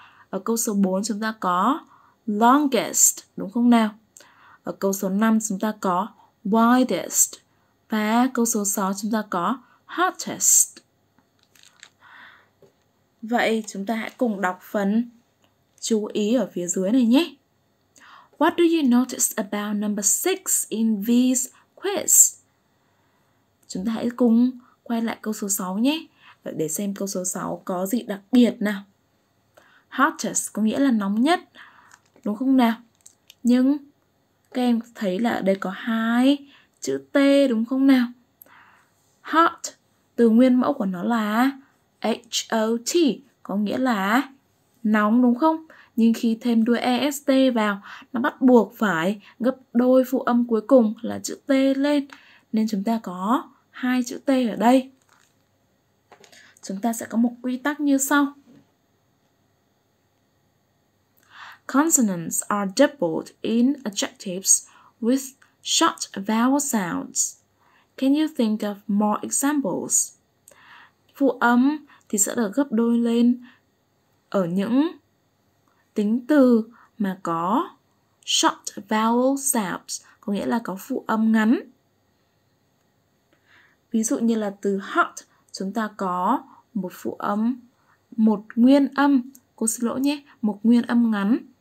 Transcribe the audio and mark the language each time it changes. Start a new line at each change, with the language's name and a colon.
Vietnamese: Ở câu số 4 chúng ta có longest, đúng không nào? Ở câu số 5 chúng ta có widest. Và câu số 6 chúng ta có hottest. Vậy chúng ta hãy cùng đọc phần chú ý ở phía dưới này nhé.
English: What do you notice about number 6 in V's quiz?
Vietnamese: Chúng ta hãy cùng quay lại câu số 6 nhé. Để xem câu số 6 có gì đặc biệt nào. Hottest có nghĩa là nóng nhất, đúng không nào? Nhưng các em thấy là ở đây có hai chữ T, đúng không nào? Hot, từ nguyên mẫu của nó là H-O-T, có nghĩa là nóng, đúng không? Nhưng khi thêm đuôi E-S-T vào, nó bắt buộc phải gấp đôi phụ âm cuối cùng là chữ T lên. Nên chúng ta có hai chữ T ở đây. Chúng ta sẽ có một quy tắc như sau.
English: Consonants are doubled in adjectives with short vowel sounds. Can you think of more examples?
Vietnamese: Phụ âm thì sẽ được gấp đôi lên ở những tính từ mà có
English: short vowel sounds,
Vietnamese: có nghĩa là có phụ âm ngắn. Ví dụ như là từ hot, chúng ta có một phụ âm, một nguyên âm, cô xin lỗi nhé, một nguyên âm ngắn.